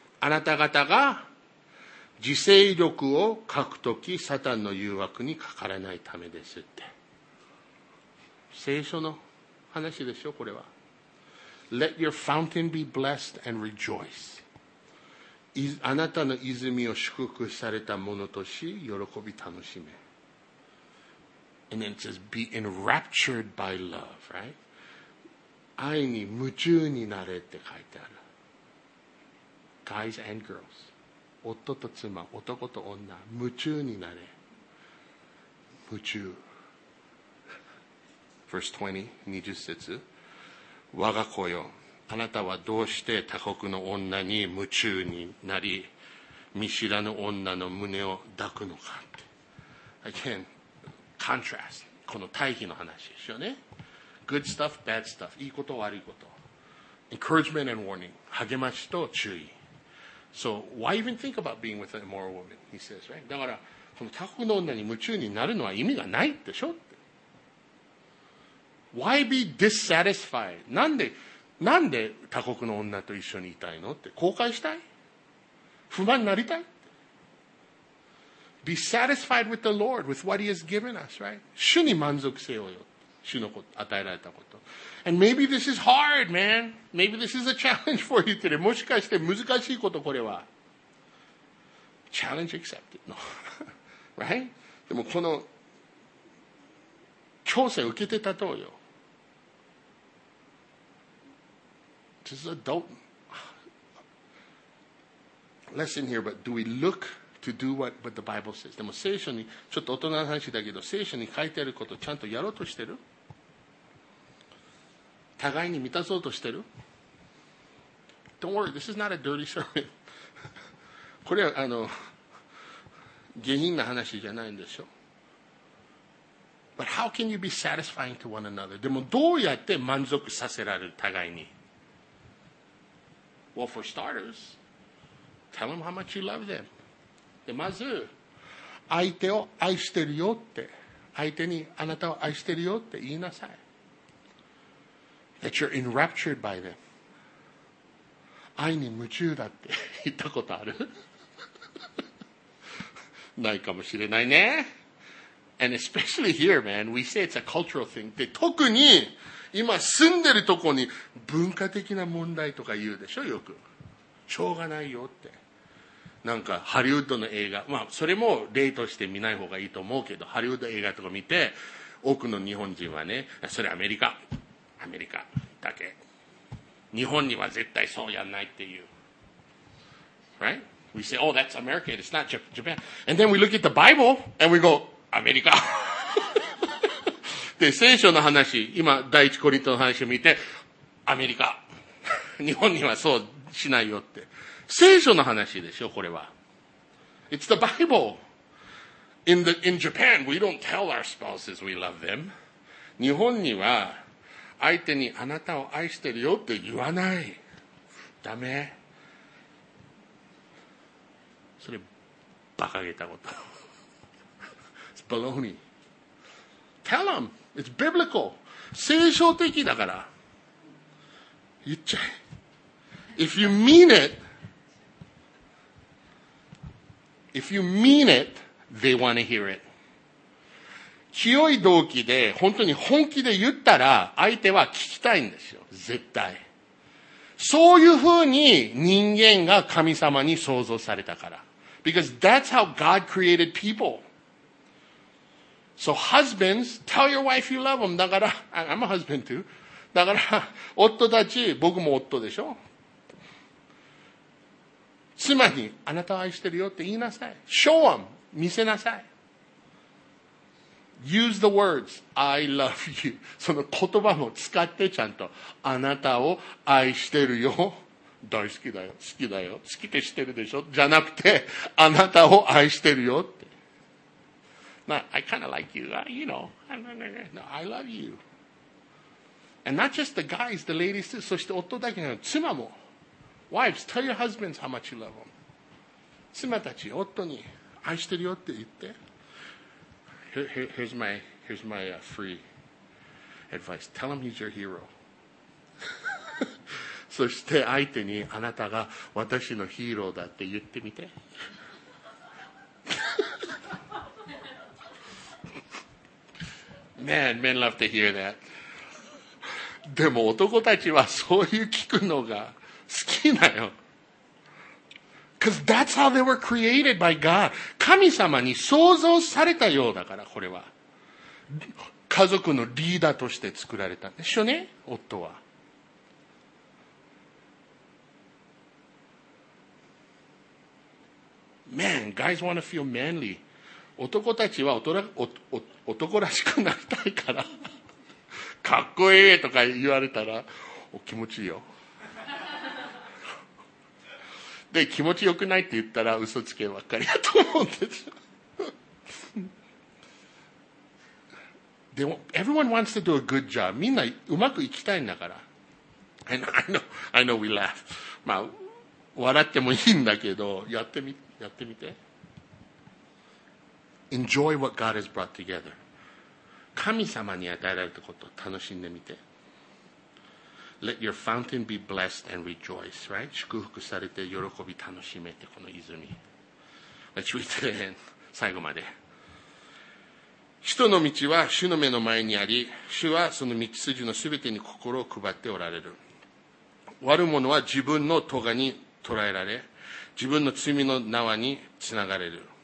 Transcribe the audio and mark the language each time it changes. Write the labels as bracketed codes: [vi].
[ja] あなた方が自制力を欠くとき、サタンの誘惑にかからないためですって。聖書の話でしょ、これは。 [en] Let your fountain be blessed and rejoice. [ja] あなたの泉を祝福されたものとし、喜び楽しめ。 [en] And then it says, be enraptured by love, right? [ja] 愛に夢中になれって書いてある。 [en] Guys and girls. [ja] 夫と妻、男と女、夢中になれ。夢中。 [en] Verse 20, [ja] 20節。我が子よ、あなたはどうして他国の女に夢中になり、見知らぬ女の胸を抱くのかって。 [en] Again, contrast. [ja] この対比の話ですよね。 [en] Good stuff, bad stuff. [ja] いいこと、悪いこと。 [en] Encouragement and warning. [ja] 励ましと注意。 [en] So, why even think about being with an immoral woman? He says, right? [ja] だから、この他国の女に夢中になるのは意味がないでしょ？ [en] Why be dissatisfied? [ja] なんで他国の女と一緒にいたいのって後悔したい不満になりたい [en] Be satisfied with the Lord, with what he has given us, right? [ja] 主に満足せよよ。主のこと、与えられたこと。 [en] And maybe this is hard, man. Maybe this is a challenge for you today. [ja] もしかして難しいこと、これは。 [en] Challenge accepted. No. right? [ja] でもこの、挑戦受けてたとよ。 [en] This is an adult lesson here, but do we look to do what the Bible says? [ja] でも聖書に、ちょっと大人の話だけど、聖書に書いてあることをちゃんとやろうとしてる？互いに満たそうとしてる？ [en] Don't worry, this is not a dirty sermon. [ja] これは、下品な話じゃないんでしょ。 [en] But how can you be satisfying to one another? [ja] でもどうやって満足させられる、互いに？ [en] Well, for starters, tell them how much you love them. [ja] で、まず、相手を愛してるよって、相手にあなたを愛してるよって言いなさい。 [en] That you're enraptured by them. [ja] 愛に夢中だって言ったことある？ないかもしれないね。 [en] And especially here, man, we say it's a cultural thing. [ja] で、特に、今住んでるとこに文化的な問題とか言うでしょよく。しょうがないよって。なんかハリウッドの映画。まあそれも例として見ない方がいいと思うけど、ハリウッド映画とか見て、多くの日本人はね、それアメリカ。アメリカだけ。日本には絶対そうやんないっていう。 [en] Right? We say, oh, that's America, it's not Japan. And then we look at the Bible, and we go, アメリカ。 [ja] で、聖書の話、今、第一コリントの話を見て、アメリカ。日本にはそうしないよって。聖書の話でしょ、これは。 [en] It's the Bible. In Japan, we don't tell our spouses we love them. [ja] 日本には、相手にあなたを愛してるよって言わない。ダメ。それ、馬鹿げたこと。 [en] It's baloney. Tell them. It's biblical. [ja] 聖書的だから。言っちゃえ。 [en] If you mean it, if you mean it, they want to hear it. [ja] 強い動機で、本当に本気で言ったら、相手は聞きたいんですよ。絶対。そういう風に人間が神様に創造されたから。 [en] Because that's how God created people. So husbands, tell your wife you love them. [ja] だから、 [en] I'm a husband too. [ja] だから、夫たち、僕も夫でしょ。妻に、あなたを愛してるよって言いなさい。 [en] Show them. [ja] 見せなさい。 [en] Use the words, I love you. [ja] その言葉も使ってちゃんと、あなたを愛してるよ。大好きだよ。好きだよ。好きって知ってるでしょ。じゃなくて、あなたを愛してるよって。 [en] Not, I kind of like you, you know. No, I love you. And not just the guys, the ladies too. [ja] そして夫だけじゃなく、妻も。 [en] Wives, tell your husbands how much you love them. [ja] 妻たち、夫に愛してるよって言って。 [en] Here's my free advice. Tell him he's your hero. [ja] そして相手にあなたが私のヒーローだって言ってみて。 [en] Man, men love to hear that. [ja] でも男たちはそういう聞くのが好きなよ。 [en] Because that's how they were created by God. [ja] 神様に創造されたようだから、これは。家族のリーダーとして作られたんでしょうね、夫は。 [en] Man, guys want to feel manly. [ja] 男たちは男らしくなりたいから。かっこいいとか言われたら、お気持ちいいよ。で、気持ちよくないって言ったら嘘つけばっかりだと思うんですよ。でも、 [en] everyone wants to do a good job. [ja] みんなうまくいきたいんだから。 [en] I know we laugh. [ja] まあ、笑ってもいいんだけど、やってみて。 [en] Enjoy what God has brought together. [ja] 神様に与えられたことを楽しんでみて。 [en] Let your fountain be blessed and rejoice, right? [ja] 祝福されて喜び楽しめて、この泉。 [en] Let's read to the end. [ja] 最後まで。人の道は主の目の前にあり、主はその道筋のすべてに心を配っておられる。悪者は自分の咎に捕らえられ、自分の罪の縄につながれる。